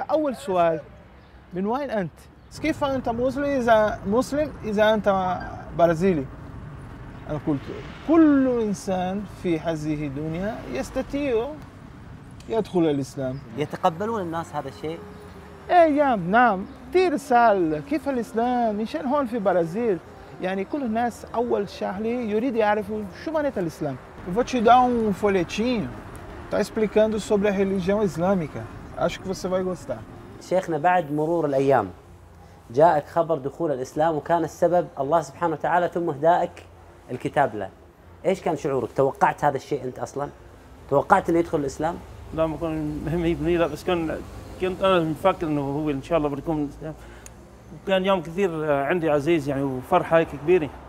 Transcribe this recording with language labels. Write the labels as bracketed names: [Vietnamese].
[Arabic] أول سؤال من وين أنت؟ كيف أنت مسلم إذا مسلم إذا أنت برازيلي؟ أنا قلت كل إنسان في هذه الدنيا يستطيع يدخل الإسلام. يتقبلون الناس هذا الشيء؟ نعم. كثير سأل كيف الإسلام مشان هون في البرازيل، يعني كل الناس أول شهلي يريد يعرف شو معنى الإسلام. [Portuguese] Vou te dar um folhetinho tá explicando sobre a religião islâmica. Acho que você vai gostar. [Arabic] شيخنا، بعد مرور الأيام جاءك خبر دخول الإسلام، وكان السبب الله سبحانه وتعالى ثم هدائك الكتاب له. ايش كان شعورك؟ توقعت هذا الشيء انت اصلا؟ توقعت انه يدخل الاسلام؟ لا، ما كان مهم يبني، لا بس كان كنت انا مفكر انه هو ان شاء الله بيكون، وكان يوم كثير عندي عزيز يعني وفرحه هيك كبيره.